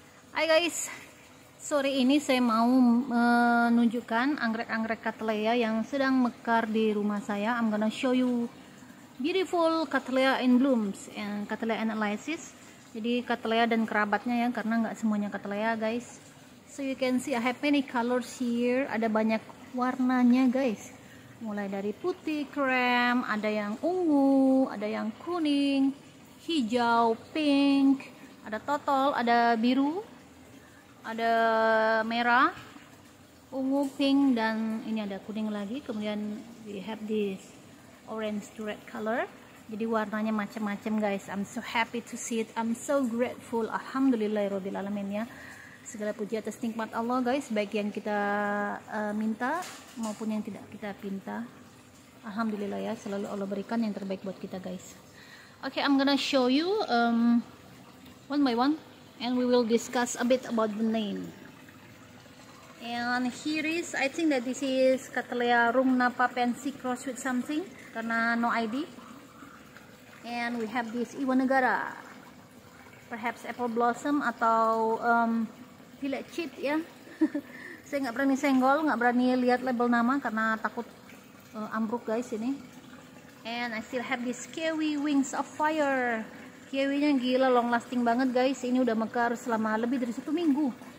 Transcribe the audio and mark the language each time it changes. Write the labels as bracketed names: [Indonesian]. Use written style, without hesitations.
[Indonesian] Hai guys, sore ini saya mau menunjukkan anggrek-anggrek cattleya yang sedang mekar di rumah saya. [English] I'm gonna show you beautiful cattleya in blooms and cattleya analysis. [Indonesian] Jadi cattleya dan kerabatnya ya, karena nggak semuanya cattleya guys. [English] So you can see I have many colors here. [Indonesian] Ada banyak warnanya guys. Mulai dari putih, krem, ada yang ungu, ada yang kuning, hijau, pink, ada totol, ada biru, ada merah, ungu, pink, dan ini ada kuning lagi. [English] Kemudian we have this orange to red color. Jadi warnanya macam-macam guys. I'm so happy to see it. I'm so grateful. [Indonesian] Alhamdulillahirrahmanirrahim ya. Segala puji atas nikmat Allah guys, baik yang kita minta maupun yang tidak kita minta. Alhamdulillah ya, selalu Allah berikan yang terbaik buat kita guys. [English] Okay, I'm gonna show you one by one and we will discuss a bit about the name. And here is, I think that this is Cattleya Rungnapa Pansy cross with something, karena no ID. And we have this Iwanegara, perhaps apple blossom atau Pilek cheat ya. [Indonesian] Saya nggak berani senggol, nggak berani lihat label nama karena takut ambruk guys ini. [English] And I still have this kiwi wings of fire. [Indonesian] Kiwinya gila, long lasting banget guys. Ini udah mekar selama lebih dari 1 minggu.